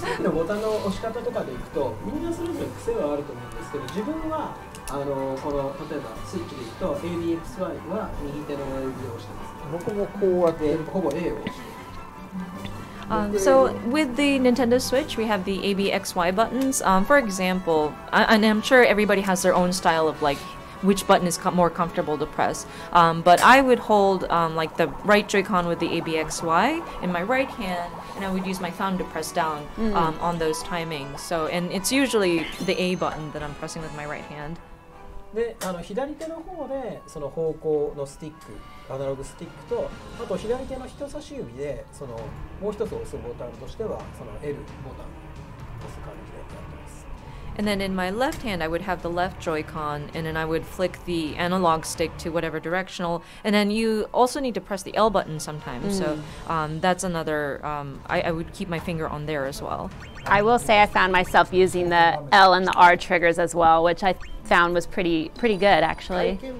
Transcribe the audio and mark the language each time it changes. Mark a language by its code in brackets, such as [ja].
[ja] ボタンの押し方とかでいくと、みんなそれぞれ癖はあると思うんですけど、自分はあのこの例えばスイッチでいくと ADXY は右手の親指を押してます。僕もこうやってほぼ A を押して。 [en] So with the Nintendo Switch, we have the ABXY buttons. For example, and I'm sure everybody has their own style of like which button is more comfortable to press. But I would hold like the right Joy-Con with the ABXY in my right hand, and I would use my thumb to press down on those timings. So, and it's usually the A button that I'm pressing with my right hand. [ja] であの左手の方でその方向のスティック、アナログスティックと、あと左手の人差し指でそのもう一つ押すボタンとしてはその L ボタンを押す感じでやってます。 [en] And then in my left hand, I would have the left Joy-Con, and then I would flick the analog stick to whatever directional. And then you also need to press the L button sometimes. So that's another, I would keep my finger on there as well. I will say I found myself using the L and the R triggers as well, which I found was pretty good actually.